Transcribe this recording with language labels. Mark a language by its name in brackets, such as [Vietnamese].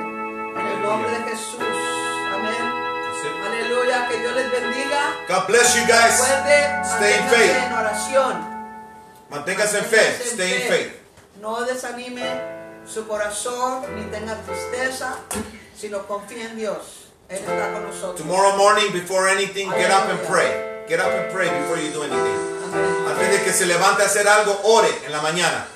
[Spanish] En el nombre de Jesús. Amén. Aleluya. Que Dios les bendiga. [English] God bless you guys. [Spanish] Recuerde, [English] stay in faith. [Spanish] En oración. Manténgase en fe. [English] Stay in faith. [Spanish] No desanime su corazón ni tenga tristeza, sino confíe en Dios. Él está con nosotros. [English] Tomorrow morning, before anything, get up and pray. Get up and pray before you do anything. [Spanish] Antes de que se levante a hacer algo, ore en la mañana.